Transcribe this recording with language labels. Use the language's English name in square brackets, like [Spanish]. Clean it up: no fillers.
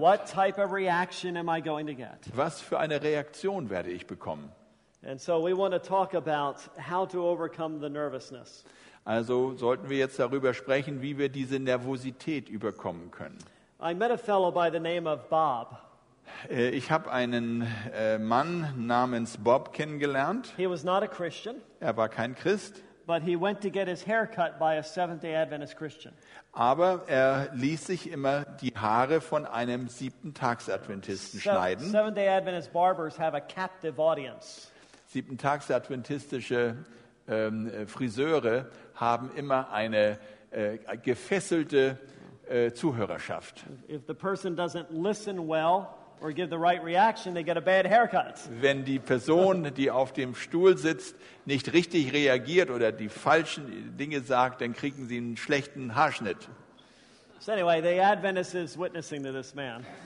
[English] What type of reaction am I going to get? [German] Was für eine Reaktion werde ich bekommen? [English] And so we want to talk about how to overcome the nervousness. [German] Also sollten wir jetzt darüber sprechen, wie wir diese Nervosität überkommen können. [English] I met a fellow by the name of Bob. [German] Ich habe einen Mann namens Bob kennengelernt. [English] He was not a Christian. [German] Er war kein Christ. [English] But he went to get his hair cut by a Seventh-day Adventist Christian. [German] Aber er ließ sich immer die Haare von einem Siebenten-Tags-Adventisten schneiden. [English] Seventh-day Adventist barbers have a captive audience. [German] Siebentags-Adventistische Friseure haben immer eine gefesselte Zuhörerschaft. [English] If the person doesn't listen well or give the right reaction, they get a bad haircut. [German] Wenn die Person, die auf dem Stuhl sitzt, nicht richtig reagiert oder die falschen Dinge sagt, dann kriegen sie einen schlechten Haarschnitt. [English] So anyway, the Adventist is witnessing to this man.